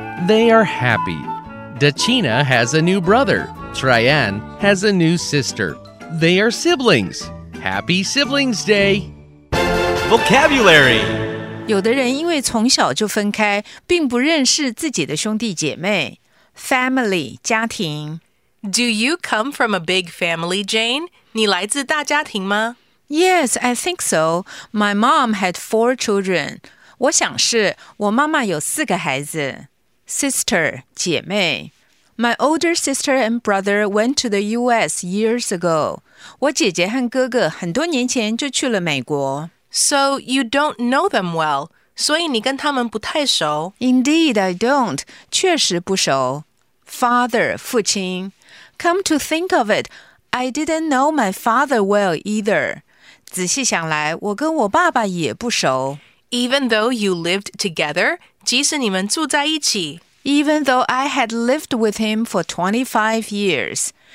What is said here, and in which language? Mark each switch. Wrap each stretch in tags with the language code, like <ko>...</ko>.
<en>They are happy. Dacina has a new brother. Traian has a new sister. They are siblings. Happy Siblings Day! Vocabulary!</en> <zh>有的人因为从小就分开，并不认识自己的兄弟姐妹。</zh> <en>Family, 家庭。 Do you come from a big family, Jane?</en> <zh>你来自大家庭吗？</zh> <en>Yes, I think so. My mom had 4 children.</en> <zh>我想是我妈妈有4个孩子。</zh> <en>Sister, 姐妹。 My older sister and brother went to the U.S. years ago.</en> <zh>我姐姐和哥哥很多年前就去了美国。</zh> <en>So you don't know them well.</en> <zh>所以你跟他们不太熟。</zh> <en>Indeed, I don't.</en> <zh>确实不熟。</zh> <en>Father, 父亲。 Come to think of it, I didn't know my father well either.</en> <zh>仔细想来，我跟我爸爸也不熟。</zh> <en>Even though you lived together,</en> <zh>即使你们住在一起。</zh> <en>Even though I had lived with him for 25 years.</en>